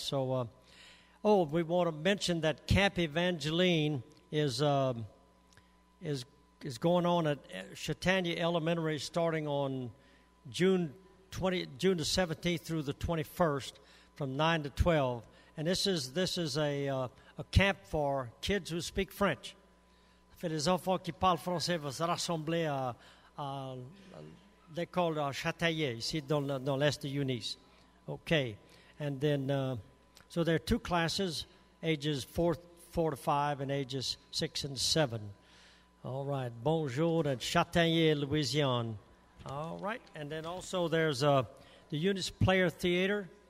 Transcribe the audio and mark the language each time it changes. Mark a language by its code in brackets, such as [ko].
[en] So, we want to mention that Camp Evangeline is going on at Chatania Elementary starting on June the 17th through the 21st, from 9 to 12. And this is a camp for kids who speak French. [fr] For les enfants qui parlent français, vous rassemblez à l'école de Châtelier, ici dans l'Est de Unis. [en] Okay. And then, so there are two classes, ages 4 to 5 and ages 6 and 7. All right. Bonjour at Châtelier, Louisiana. All right. And then also there's the Unis Player Theater.